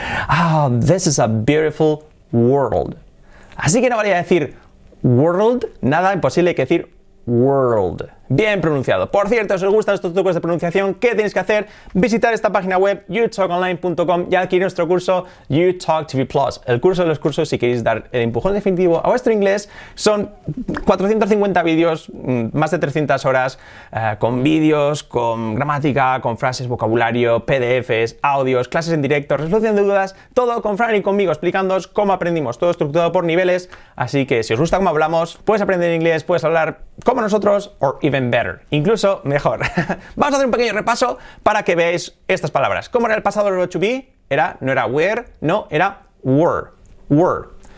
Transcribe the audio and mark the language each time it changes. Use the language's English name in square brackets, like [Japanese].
[English] Oh, this is a beautiful world. [Spanish] Así que no valía decir world, nada imposible que decir world. Bien pronunciado. Por cierto, si os gustan estos trucos de pronunciación, ¿qué tenéis que hacer? Visitar esta página web, youtalkonline.com, y adquirir nuestro curso YouTalkTV Plus. El curso de los cursos, si queréis dar el empujón definitivo a vuestro inglés, son 450 vídeos, más de 300 horas, con vídeos, con gramática, con frases, vocabulario, PDFs, audios, clases en directo, resolución de dudas, todo con Fran y conmigo, explicándoos cómo aprendimos. Todo estructurado por niveles, así que si os gusta cómo hablamos, puedes aprender inglés, puedes hablar como nosotros, [English] or even better, [Spanish] incluso mejor. Vamos a hacer un pequeño repaso para que veáis estas palabras. ¿Cómo era el pasado verbo to be? Era, no era where, no, era were, were.